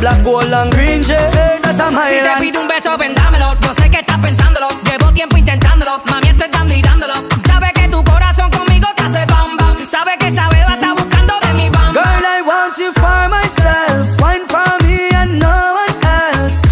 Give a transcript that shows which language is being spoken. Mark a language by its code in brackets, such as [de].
[en] Black, gold and green, yeah, hey, that's a my land. [es] Si te pido un beso, ven dámelo. Yo sé que estás pensándolo. Llevo tiempo intentándolo. Mami, esto está mirándolo. Sabes que tu corazón conmigo te hace bam bam. Sabes que esa beba está buscando de mi bam. [en] Girl, I want you for myself. Wine for me and no one else.